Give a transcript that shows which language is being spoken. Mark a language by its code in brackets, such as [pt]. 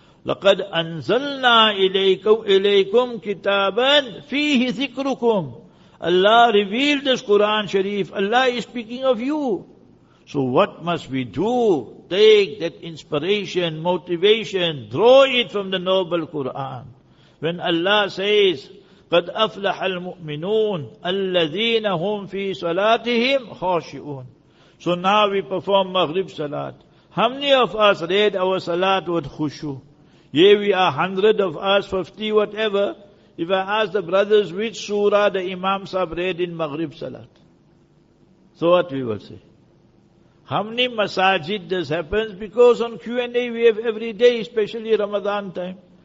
[ar] لَقَدْ أَنزَلْنَا إِلَيْكُمْ كِتَابًا فِيهِ ذِكْرُكُمْ. [en] Allah revealed this Quran Sharif. Allah is speaking of you. So what must we do? Take that inspiration, motivation, draw it from the noble Quran. When Allah says, [ar] قَدْ أَفْلَحَ الْمُؤْمِنُونَ أَلَّذِينَ هُمْ فِي صَلَاتِهِمْ خَاشِعُونَ. [en] So now we perform Maghrib Salat. How many of us read our Salat with khushu? Here we are, 100 of us, 50, whatever. If I ask the brothers which surah the imams have read in Maghrib Salat, so what we will say? How many masajid this happens? Because on Q&A we have every day, especially Ramadan time.